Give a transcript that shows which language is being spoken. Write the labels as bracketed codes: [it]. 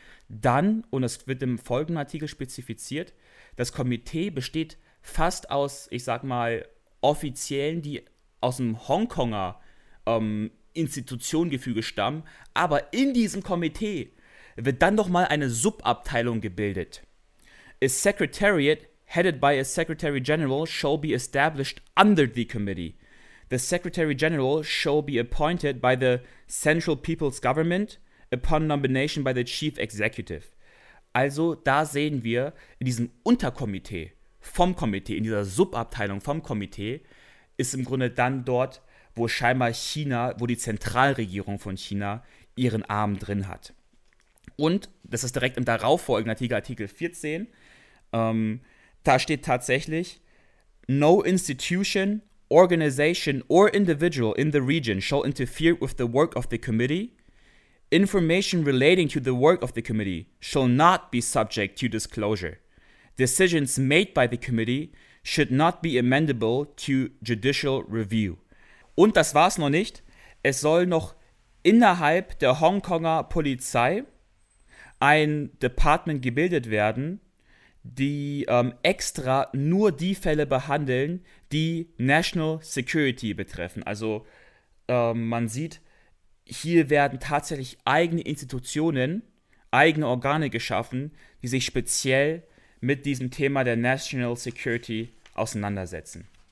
[de] Dann, und das wird im folgenden Artikel spezifiziert, das Komitee besteht fast aus, ich sag mal, Offiziellen, die aus dem Hongkonger Institutionengefüge stammen, aber in diesem Komitee wird dann nochmal eine Subabteilung gebildet. [en] A Secretariat headed by a Secretary General shall be established under the committee. The Secretary General shall be appointed by the Central People's Government upon nomination by the Chief Executive. [de] Also da sehen wir in diesem Unterkomitee vom Komitee, in dieser Subabteilung vom Komitee, ist im Grunde dann dort, wo scheinbar China, wo die Zentralregierung von China ihren Arm drin hat. Und das ist direkt im darauffolgenden Artikel 14, da steht tatsächlich, [en] no institution, organization or individual in the region shall interfere with the work of the committee. Information relating to the work of the committee shall not be subject to disclosure. Decisions made by the committee should not be amendable to judicial review. [de] Und das war's noch nicht. Es soll noch innerhalb der Hongkonger Polizei ein Department gebildet werden, die extra nur die Fälle behandeln, die National Security betreffen. Also man sieht, hier werden tatsächlich eigene Institutionen, eigene Organe geschaffen, die sich speziell mit diesem Thema der National Security auseinandersetzen.